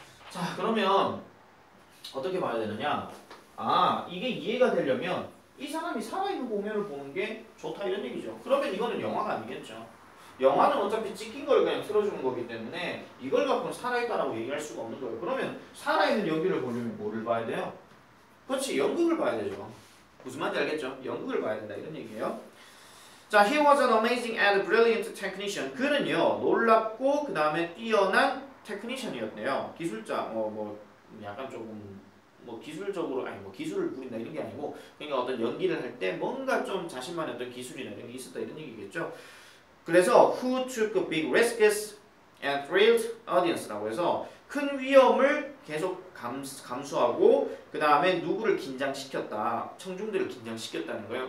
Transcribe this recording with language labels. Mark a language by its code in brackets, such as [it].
[ko] 자 그러면 어떻게 봐야 되느냐? 아, 이게 이해가 되려면 이 사람이 살아있는 공연을 보는 게 좋다 이런 얘기죠. 그러면 이거는 영화가 아니겠죠. 영화는 어차피 찍힌 걸 그냥 틀어주는 거기 때문에 이걸 갖고는 살아있다라고 얘기할 수가 없는 거예요. 그러면 살아있는 연기를 보려면 뭐를 봐야 돼요? 그렇지, 연극을 봐야 되죠. 무슨 말인지 알겠죠? 연극을 봐야 된다 이런 얘기예요. [en] 자, he was an amazing and brilliant technician. [ko] 그는요, 놀랍고 그 다음에 뛰어난 technician이었네요. 기술자, 약간 조금 뭐 기술적으로 아니 뭐 기술을 부린다 이런 게 아니고 그러니까 어떤 연기를 할 때 뭔가 좀 자신만의 어떤 기술이나 이런 게 있었다 이런 얘기겠죠. 그래서 [en] who took big risks and thrilled audience [ko] 라고 해서 큰 위험을 계속 감수하고 그 다음에 누구를 긴장시켰다, 청중들을 긴장시켰다는 거예요.